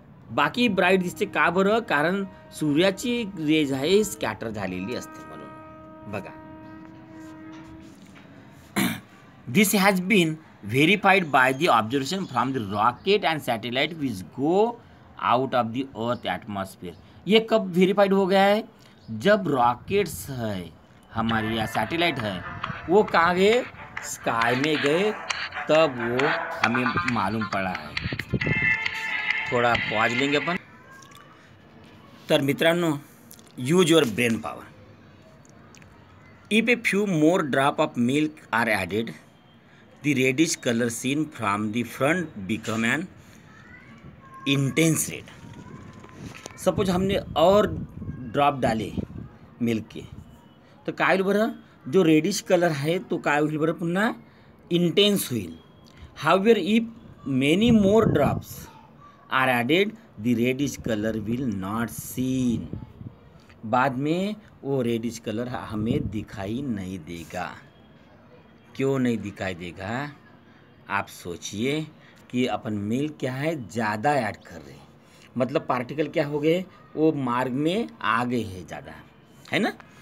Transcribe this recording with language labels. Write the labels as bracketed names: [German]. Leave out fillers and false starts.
[Marathi] बाकी ब्राईट दिसते का बरं? कारण सूर्याची रेज आहे स्कॅटर झालेली असते म्हणून. [English] बघा, this has been verified by the observation from the rocket and satellite which go out of the earth atmosphere. [Hindi] ये कब व्हेरीफाईड हो गया है? जब रॉकेट्स है हमारी या सैटेलाइट है वो कहाँ गए? स्काई में गए, तब वो हमें मालूम पड़ा है. थोड़ा पॉज लेंगे अपन. [Marathi] तर मित्रांनो, [English] Use your brain power. If a few more drop of milk are added the reddish colour seen from the front become an intense red. [Hindi] Suppose हमने और ड्रॉप डाले मिल्क के तो [Marathi] काय होईल बरं? जो रेडिश कलर आहे तो काय होईल बरं? पुन्हा इंटेन्स होईल. [English] However if many more drops are added the reddish colour will not seen. [Hindi] बाद में वो रेडिश कलर हमें दिखाई नहीं देगा. क्यों नहीं दिखाई देगा? आप सोचिए कि अपन मिल्क क्या है ज़्यादा ऐड कर रहे हैं, मतलब पार्टिकल क्या हो गए, वो मार्ग में आ गए हैं ज़्यादा, है ना?